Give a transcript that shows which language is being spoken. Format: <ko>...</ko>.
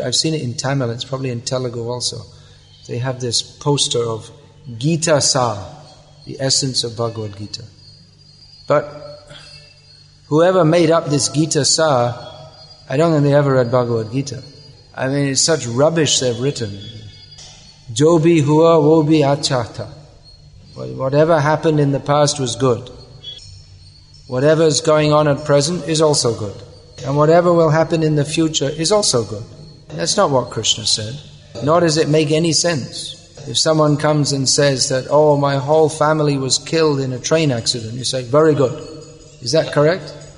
<en>I've seen it in Tamil, it's probably in Telugu also. They have this poster of Gita Sar, the essence of Bhagavad Gita. But whoever made up this Gita Sar, I don't think they ever read Bhagavad Gita. I mean, it's such rubbish they've written.</en> <hi>जो भी हुआ वो भी अच्छा था।</hi> <en>Whatever happened in the past was good. Whatever's going on at present is also good. And whatever will happen in the future is also good. That's not what Krishna said. Nor does it make any sense. If someone comes and says that, oh, my whole family was killed in a train accident, you say, very good. Is that correct?</en>